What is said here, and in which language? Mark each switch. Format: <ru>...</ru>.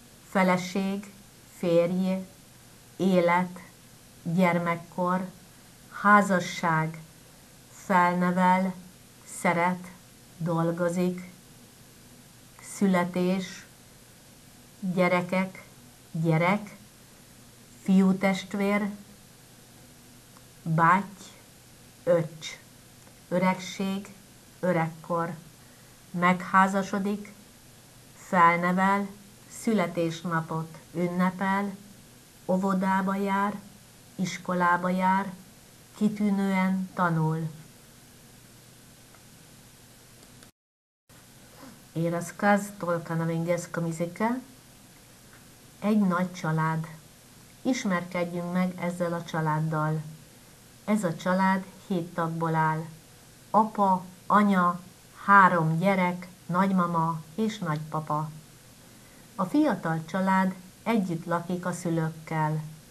<hu>Feleség, férj, élet, gyermekkor, házasság, felnevel, szeret, dolgozik, születés, gyerekek, gyerek, fiú testvér, báty, öcs, öregség, öregkor. Megházasodik, felnevel, születésnapot ünnepel, óvodába jár, iskolába jár, kitűnően tanul.</hu> <ru>И рассказ только на венгерском языке.</ru> <hu>Egy nagy család. Ismerkedjünk meg ezzel a családdal. Ez a család 7 tagból áll. Apa, anya, 3 gyerek, nagymama és nagypapa. A fiatal család együtt lakik a szülőkkel.</hu>